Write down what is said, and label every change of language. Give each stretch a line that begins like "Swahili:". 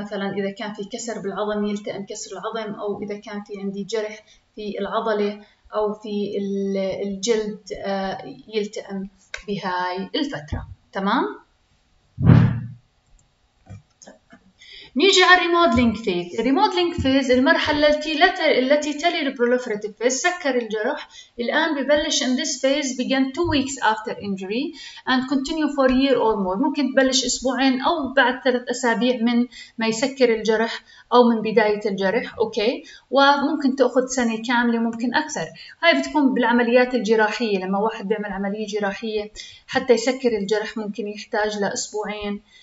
Arabic: مثلا إذا كان في كسر بالعظم يلتئم كسر العظم، أو إذا كان في عندي جرح في العضلة أو في الجلد يلتئم بهاي الفترة. تمام؟ نيجي على الريمودلينج فيز. الريمودلينج فيز المرحلة التي تلي البروليفراتيف فيز، سكر الجرح. الآن ببلش
English: in this phase begin 2 weeks after injury and continue for a year or more.
Arabic: ممكن تبلش أسبوعين أو بعد 3 أسابيع من ما يسكر الجرح أو من بداية الجرح، أوكي؟ وممكن تأخذ سنة كاملة، ممكن أكثر. هاي بتكون بالعمليات الجراحية، لما واحد بيعمل عملية جراحية حتى يسكر الجرح ممكن يحتاج لأسبوعين.